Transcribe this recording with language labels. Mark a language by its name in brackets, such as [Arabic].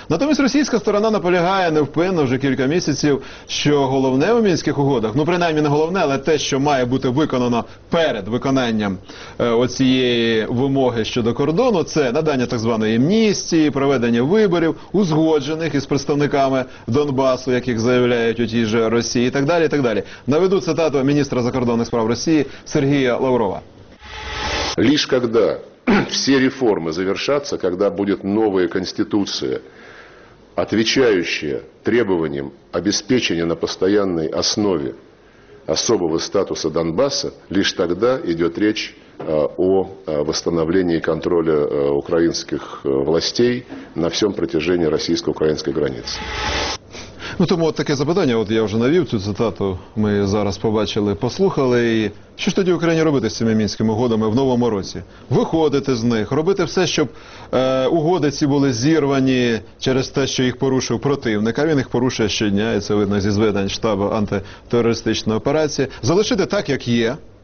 [Ukrainian] Натомість російська сторона наполягає невпинно вже кілька місяців, що головне у Мінських угодах, ну принаймні не головне, але те, що має бути виконано перед виконанням оцієї вимоги щодо кордону, це надання так званої амністії, проведення виборів, узгоджених із представниками Донбасу, яких заявляють у тій же Росії, і так далі, і так далі. Наведу цитату міністра закордонних справ Росії Сергія Лаврова. [Russian] Лишь когда все реформы завершатся, когда будет новая конституция, отвечающая требованиям обеспечения на постоянной основе особого статуса Донбасса, лишь тогда идет речь о восстановлении контроля украинских властей на всем протяжении российско-украинской границы. [Ukrainian] Ну, тому от таке запитання, от я вже навів цю цитату, ми зараз побачили, послухали, і що ж тоді Україні робити з цими Мінськими угодами в новому році? Виходити з них, робити все, щоб угоди ці були зірвані через те, що їх порушив противник, а він їх порушує щодня, і це видно зі зведень штабу антитерористичної операції, залишити так, як є.